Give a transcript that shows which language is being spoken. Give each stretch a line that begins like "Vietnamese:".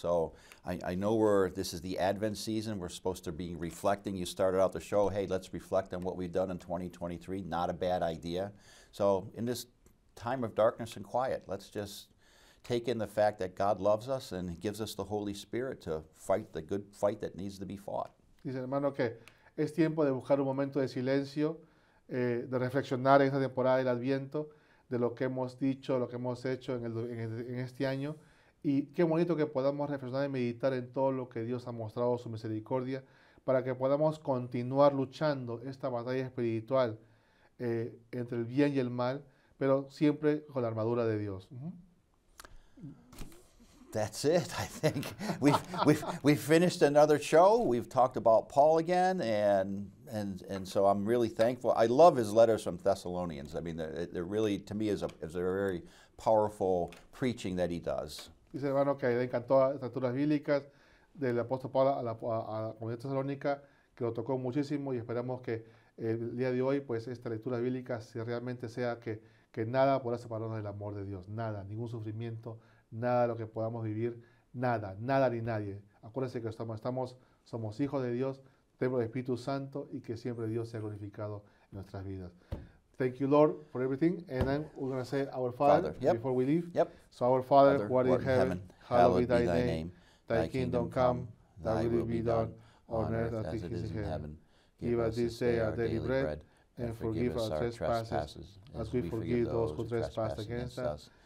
English: So I know this is the Advent season. We're supposed to be reflecting. You started out the show, hey, let's reflect on what we've done in 2023. Not a bad idea. So in this time of darkness and quiet, let's just take in the fact that God loves us and gives us the Holy Spirit to fight the good fight that needs to be fought.
Spanish: Dice hermano que es tiempo de buscar un momento de silencio, de reflexionar en esta temporada del Adviento, de lo que hemos dicho, lo que hemos hecho en este año, y qué bonito que podamos reflexionar y meditar en todo lo que Dios ha mostrado su misericordia para que podamos continuar luchando esta batalla espiritual entre el bien y el mal, pero siempre con la armadura de Dios.
English: That's it, I think. We've finished another show. We've talked about Paul again, and so I'm really thankful. I love his letters from Thessalonians. I mean, they're really, to me, is a very powerful preaching that he does.
Spanish: Dice, hermano, que le encantó las lecturas bíblicas del apóstol Pablo a la comunidad tesalónica, que lo tocó muchísimo, y esperamos que el día de hoy, pues, esta lectura bíblica si realmente sea que nada podrá separarnos del amor de Dios. Nada, ningún sufrimiento, nada de lo que podamos vivir, nada, nada ni nadie. Acuérdense que somos hijos de Dios, templo del Espíritu Santo, y que siempre Dios sea glorificado en nuestras vidas.
English: Thank you, Lord, for everything. And then we're going to say our Father, before we leave. Yep. So our Father, who art in heaven, hallowed be thy name. Thy kingdom come, thy will be done on earth as it is in heaven. Give us this day our daily bread, and forgive us our trespasses, as we forgive those who trespass against us.